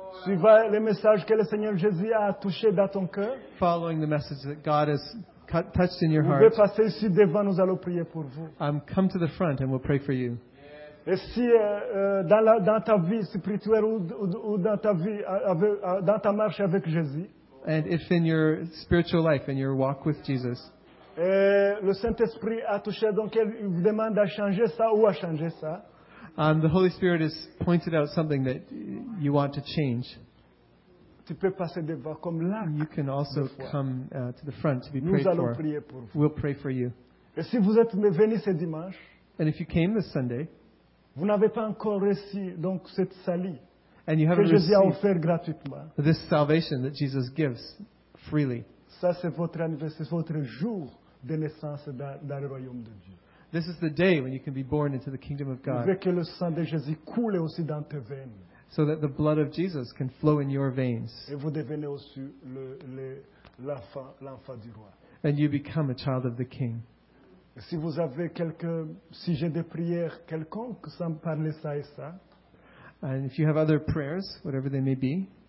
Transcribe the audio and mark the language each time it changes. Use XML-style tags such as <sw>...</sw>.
<fr>suivez le message que le Seigneur Jésus a touché dans ton cœur.</fr> <en>Following the message that God has touched in your heart.</en> <fr>Vous pouvez passer ici devant, nous allons prier pour vous.</fr> <en>I'm come to the front and we'll pray for you.</en> <fr>Et si dans ta vie spirituelle ou dans ta vie dans ta marche avec Jésus.</fr> <en>And if in your spiritual life, in your walk with Jesus.</en> <fr>Le Saint-Esprit a touché, donc il vous demande à changer ça ou à changer ça.</fr> <en>The Holy Spirit has pointed out something that you want to change.</en> <fr>Tu peux passer devant comme là.</fr> <en>You can also come to the front to be</en> <fr>nous</fr> <en>prayed</en> <fr>for. Prier pour vous.</fr> <en>We'll pray for you.</en> <fr>Et si vous êtes venu ce dimanche,</fr> <en>and if you came this Sunday,</en> <fr>vous n'avez pas encore reçu donc cette salut.</fr> <en>And you haven't received this salvation that Jesus gives freely.</en> <fr>Ça, c'est votre anniversaire, c'est votre jour de naissance dans le royaume de Dieu.</fr> <en>This is the day when you can be born into the kingdom of God.</en> <fr>Que le sang de Jésus coule aussi dans tes veines.</fr> <en>So that the blood of Jesus can flow in your veins.</en> <fr>Et vous devenez aussi l'enfant du roi.</fr> <en>And you become a child of the king.</en> <fr>Si vous avez quelques sujets de prière quelconques sans parler ça et ça,</fr> <en>and if you have other prayers, whatever they may be,</en>